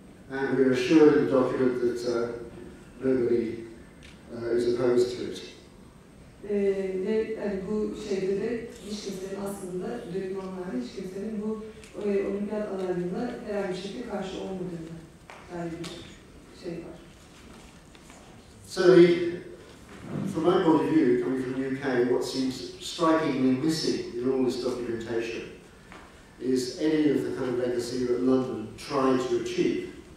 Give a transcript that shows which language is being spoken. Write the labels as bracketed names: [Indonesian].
[English] And we are sure in the document that nobody is opposed to it. [Turkish] Yani bu şeyde de hiç kimsenin aslında dökümanlarda hiç kimsenin bu olimpiyat alanında herhangi bir şekilde karşı olmadığını dair bir şey var. [English] So from my point of view, coming from the UK, what seems strikingly missing in all this documentation is any of the kind of legacy that London tried to achieve.